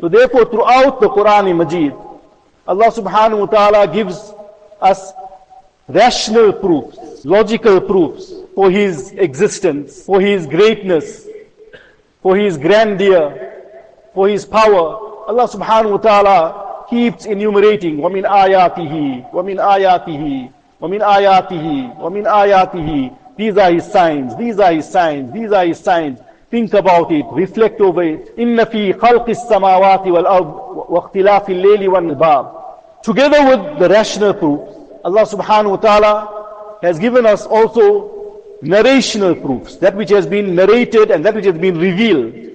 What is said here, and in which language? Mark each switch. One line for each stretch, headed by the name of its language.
English: So therefore, throughout the Qur'an Majeed, Allah Subhanahu Wa Ta'ala gives us rational proofs, logical proofs for His existence, for His greatness, for His grandeur, for His power. Allah Subhanahu Wa Ta'ala keeps enumerating,
Arabic: وَمِنْ آيَاتِهِ وَمِنْ آيَاتِهِ وَمِنْ آيَاتِهِ وَمِنْ آيَاتِهِ.
English: These are His signs, these are His signs, these are His signs. Think about it, reflect over it.
Arabic: إِنَّ فِي خَلْقِ السَّمَاوَاتِ وَالْأَرْضِ وَاخْتِلَافِ اللَّيْلِ وَالْنَهَارِ.
English: Together with the rational proofs, Allah Subhanahu Wa Ta'ala has given us also narrational proofs, that which has been narrated and that which has been revealed.